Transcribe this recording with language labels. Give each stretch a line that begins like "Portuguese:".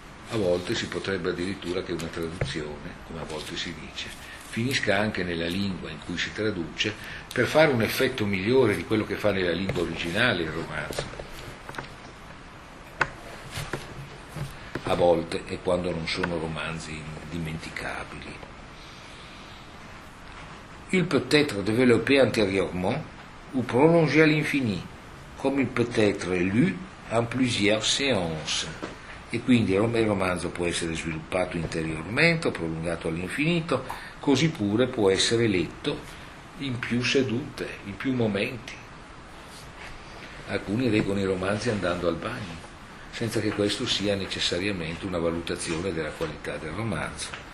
Italian: A volte si potrebbe addirittura che una traduzione, come a volte si dice, finisca anche nella lingua in cui si traduce, per fare un effetto migliore di quello che fa nella lingua originale il romanzo. A volte, e quando non sono romanzi indimenticabili.
French: Il peut-être développé antérieurement ou prolongé à l'infini, comme il peut-être lu en plusieurs séances.
Italian: E quindi il romanzo può essere sviluppato interiormente, prolungato all'infinito, così pure può essere letto in più sedute, in più momenti. Alcuni leggono i romanzi andando al bagno, senza che questo sia necessariamente una valutazione della qualità del romanzo.